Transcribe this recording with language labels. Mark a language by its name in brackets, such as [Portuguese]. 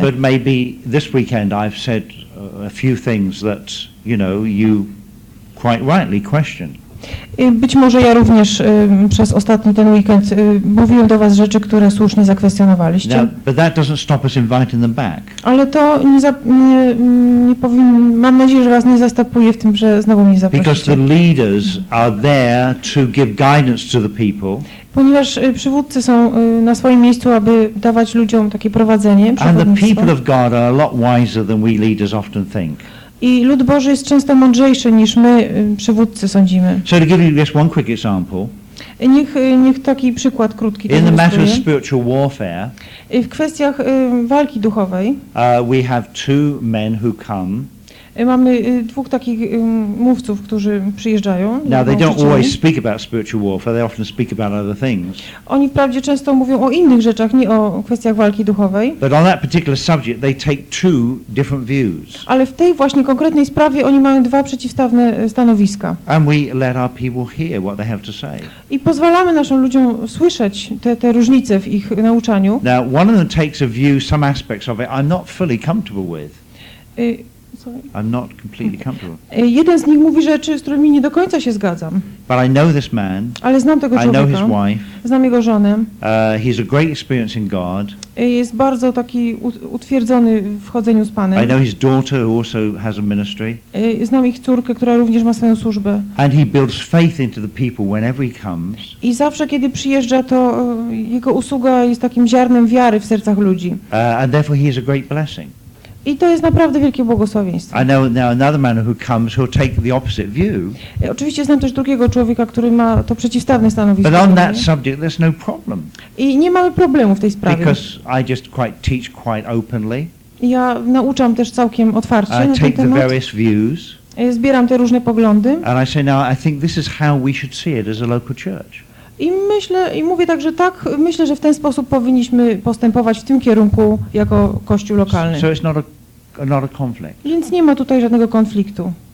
[English] But maybe this weekend I've said a few things that, you know, you quite rightly question. [Polish] Być może ja również przez ostatni ten weekend mówiłem do was rzeczy, które słusznie zakwestionowaliście. [English] Now, but that doesn't stop us inviting them back. [Polish] Ale to nie powinno, mam nadzieję, że was nie zastopuje w tym, że znowu mnie zaprosicie. [English] Because the leaders are there to give guidance to the people. [Polish] Ponieważ przywódcy są na swoim miejscu, aby dawać ludziom takie prowadzenie, [English] and the people of God are a lot wiser than we leaders often think. [Polish] I lud Boży jest często mądrzejszy niż my, przywódcy, sądzimy. [English] So to give you just one quick example. [Polish] Niech taki przykład krótki [English] in the matter of spiritual warfare, [Polish] w kwestiach walki duchowej, [English] we have two men who come. [Polish] Mamy dwóch takich mówców, którzy przyjeżdżają. [English] Now they don't always speak about spiritual warfare, they often speak about other things. [Polish] Oni wprawdzie często mówią o innych rzeczach, nie o kwestiach walki duchowej. [English] But on that particular subject they take two different views. [Polish] Ale w tej właśnie konkretnej sprawie oni mają dwa przeciwstawne stanowiska. [English] And we let our people hear what they have to say. [Polish] I pozwalamy naszym ludziom słyszeć te różnice w ich nauczaniu. [English] Now one of them takes a view, some aspects of it I'm not fully comfortable with. I'm not completely comfortable. [Polish] Jeden z nich mówi rzeczy, z którymi nie do końca się zgadzam. [English] But I know this man. [Polish] Ale znam tego człowieka. [English] I know his wife. [Polish] Znam jego żonę. [English] He's a great experience in God. [Polish] Jest bardzo taki utwierdzony w chodzeniu z Panem. [English] I know his daughter who also has a ministry. [Polish] Znam ich córkę, która również ma swoją służbę. [English] And he builds faith into the people whenever he comes. [Polish] I zawsze kiedy przyjeżdża, to jego usługa jest takim ziarnem wiary w sercach ludzi. [English] And therefore he is a great blessing. [Polish] I to jest naprawdę wielkie błogosławieństwo. [English] I know now another man who comes who'll take the opposite view. [Polish] Oczywiście znam też drugiego człowieka, który ma to przeciwstawne stanowisko. [English] But on that subject there's no problem. [Polish] I nie mamy problemu w tej sprawie. [English] Because I just quite teach quite openly. [Polish] Ja nauczam też całkiem otwarcie na ten temat. [English] The various views. [Polish] Zbieram te różne poglądy. [English] And I say now I think this is how we should see it as a local church. [Polish] I myślę, i mówię także tak, myślę, że w ten sposób powinniśmy postępować w tym kierunku jako kościół lokalny. [English] So it's not a conflict. [Polish] Więc nie ma tutaj żadnego konfliktu.